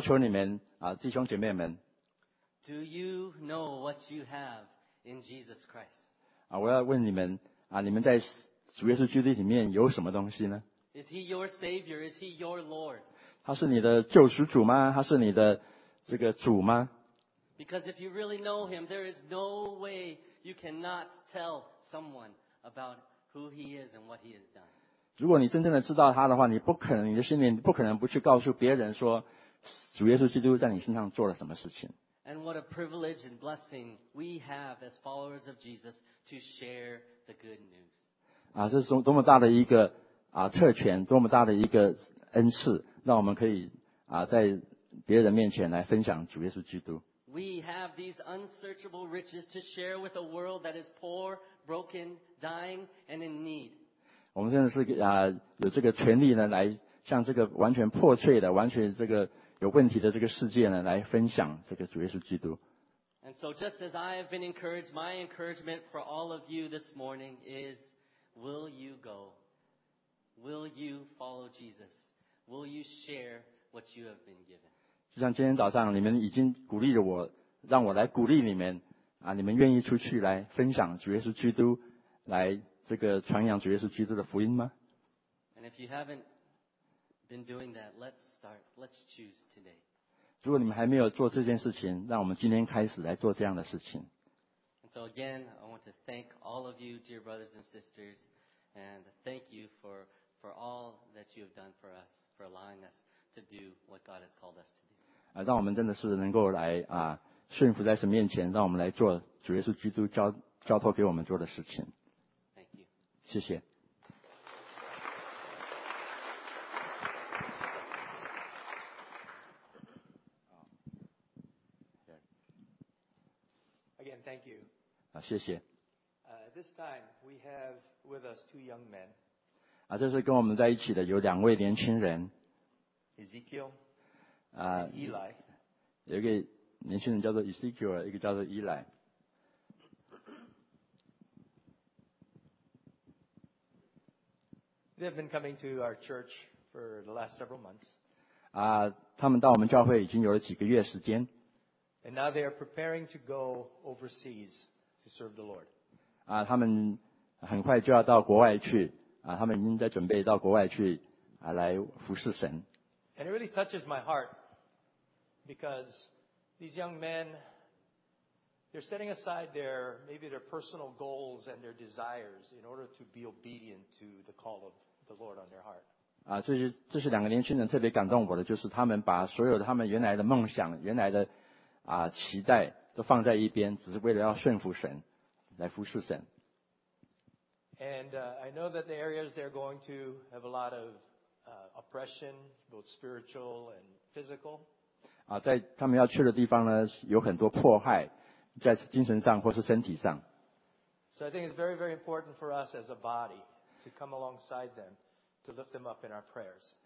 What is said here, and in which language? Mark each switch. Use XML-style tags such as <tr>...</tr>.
<zh>我要要求你们，弟兄姐妹们。</zh> <en>Do you know what you have in Jesus Christ?</en> <zh>我要问你们，你们在主耶稣基督里面有什么东西呢？</zh> <en>Is He your Savior? Is He your Lord?</en> <zh>他是你的救赎主吗？他是你的这个主吗？</zh> <en>Because if you really know Him, there is no way you cannot tell someone about who He is and what He has done.</en> <zh>如果你真正的知道他的话，你不可能，你的心里不可能不去告诉别人说，主耶稣基督在你身上做了什么事情。</zh> <en>And what a privilege and blessing we have as followers of Jesus to share the good news.</en> <zh>啊，这是多么大的一个啊特权，多么大的一个恩赐，让我们可以啊在别人面前来分享主耶稣基督。</zh> <en>We have these unsearchable riches to share with a world that is poor, broken, dying, and in need.</en> <zh>我们现在是啊有这个权利呢，来向这个完全破碎的、完全这个有问题的这个世界呢，来分享这个主耶稣基督。</zh> <en>And so, just as I have been encouraged, my encouragement for all of you this morning is: Will you go? Will you follow Jesus? Will you share what you have been given?</en> <zh>就像今天早上你们已经鼓励了我，让我来鼓励你们啊，你们愿意出去来分享主耶稣基督，来这个传扬主耶稣基督的福音吗</zh> <en>？And if you haven't been doing that, let's start. Let's choose today.</en> <zh>如果你们还没有做这件事情，让我们今天开始来做这样的事情。</zh> <en>And so again, I want to thank all of you, dear brothers and sisters, and thank you for all that you have done for us, for allowing us to do what God has called us to do.</en> <zh>让我们真的是能够来啊顺服在神面前，让我们来做主耶稣基督交托给我们做的事情。</zh> <en>Thank you.</en> <zh>谢谢。</zh> <en>Thank you.</en> <zh>谢谢。</zh> <en>This time we have with us two young men.</en> <zh>这是跟我们在一起的有两位年轻人。</zh> <en>Ezekiel. Eli.</en> <zh>有一个年轻人叫做 Ezekiel， 一个叫做 Eli。</zh> <en>They have been coming to our church for the last several months.</en> <zh>他们到我们教会已经有了几个月时间。</zh> <en>And now they are preparing to go overseas to serve the Lord.</en> <zh>他们很快就要到国外去啊，他们已经在准备到国外去啊，来服侍神。</zh> <en>And it really touches my heart because these young men, they're setting aside maybe their personal goals and their desires in order to be obedient to the call of the Lord on their heart.</en> <zh>这是两个年轻人特别感动我的，就是他们把所有他们原来的梦想、原来的期待都放在一边，只是为了要顺服神，来服侍神。</zh> <en>And I know that the areas they're going to have a lot of oppression, both spiritual and physical.</en> <zh>在他们要去的地方呢，有很多迫害，在精神上或是身体上。</zh> <en>So I think it's very, very important for us as a body to come alongside them to lift them up in our prayers.</en>